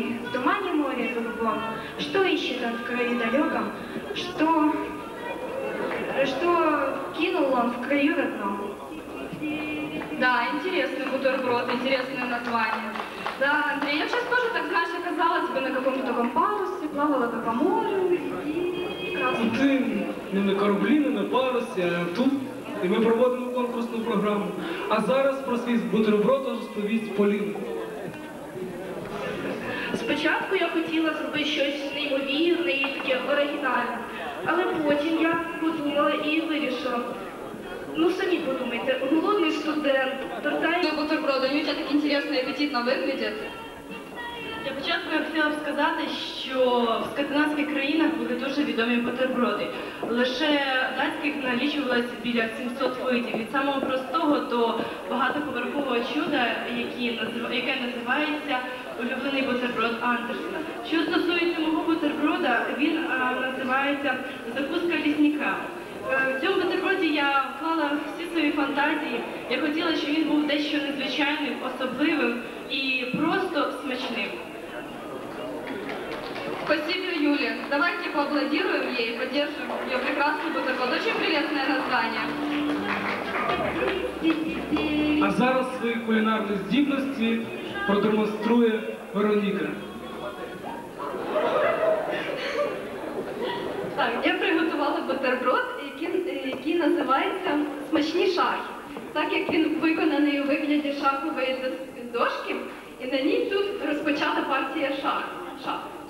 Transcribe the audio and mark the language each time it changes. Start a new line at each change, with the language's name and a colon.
Russian: В тумане море голубом, что ищет он в краю далеком, что кинул он в краю родном. Да, интересный бутерброд, интересное название. Да, Андрей, я сейчас тоже так, знаешь, оказалась бы на каком-то таком парусе, плавала бы по морю и красу.
Ukrainian: Ну ты не на кораблі, не на парусі, а тут. І ми проводимо конкурсну програму. А зараз про свій бутерброд розповість Полінку. Спочатку я хотіла зробити щось неймовірне і таке оригінальне, але потім я подумала і вирішила. Ну самі подумайте, голодний студент, тортає... Ну бутерброд, у тебе так інтересно і апетитно виглядить. Для початку я хотіла б сказати, що в скандинавських країнах були дуже відомі бутерброди. Лише датських налічувалось біля 700 видів. Від самого простого до багатоповерхового чуда, яке називається улюблений бутерброд Андерсена. Що стосується мого бутерброда, він називається закуска лісника. В цьому бутерброді я вклала всі свої фантазії. Я хотіла, щоб він був дещо незвичайним, особливим і просто смачним.
Russian: Спасибо, Юля. Давайте поаплодируем ей и поддержим ее прекрасный бутерброд. Очень прелестное название.
Ukrainian: А зараз
Russian: свои кулинарные
Ukrainian: здібності продемонструє Вероніка. Так, я приготувала бутерброд, який називається «Смачний шах». Так як він виконаний у вигляді шахової дошки, і на ній тут розпочата партія шашок.